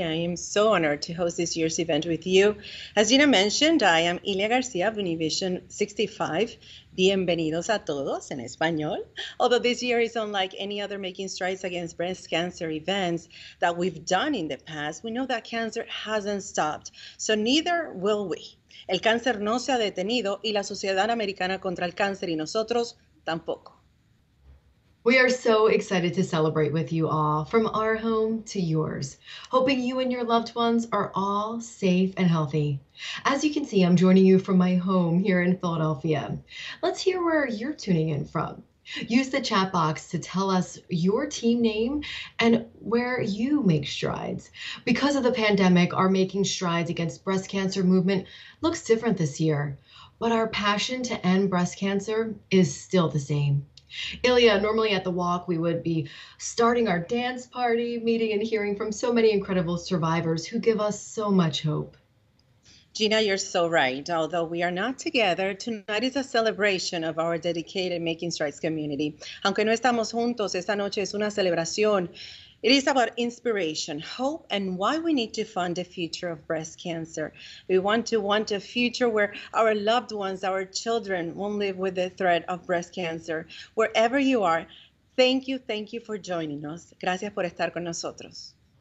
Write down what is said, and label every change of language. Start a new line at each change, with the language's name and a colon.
English: I am so honored to host this year's event with you. As Gina mentioned, I am Ilya Garcia of Univision 65.
Spanish: Bienvenidos a todos en español.
English: Although this year is unlike any other Making Strides Against Breast Cancer events that we've done in the past, we know that cancer hasn't stopped. So neither will we.
Spanish: El cáncer no se ha detenido y la Sociedad Americana contra el Cáncer y nosotros tampoco.
English: We are so excited to celebrate with you all, from our home to yours, hoping you and your loved ones are all safe and healthy. As you can see, I'm joining you from my home here in Philadelphia. Let's hear where you're tuning in from. Use the chat box to tell us your team name and where you make strides. Because of the pandemic, our Making Strides Against Breast Cancer movement looks different this year, but our passion to end breast cancer is still the same. Ilya, normally at the walk, we would be starting our dance party, meeting and hearing from so many incredible survivors who give us so much hope. Gina, you're so right. Although we are not together, tonight is a celebration of our dedicated Making Strides community.
Spanish: Aunque no estamos juntos, esta noche es una celebración.
English: It is about inspiration, hope, and why we need to fund the future of breast cancer. We want a future where our loved ones, our children, won't live with the threat of breast cancer. Wherever you are, thank you for joining us.
Spanish: Gracias por estar con nosotros.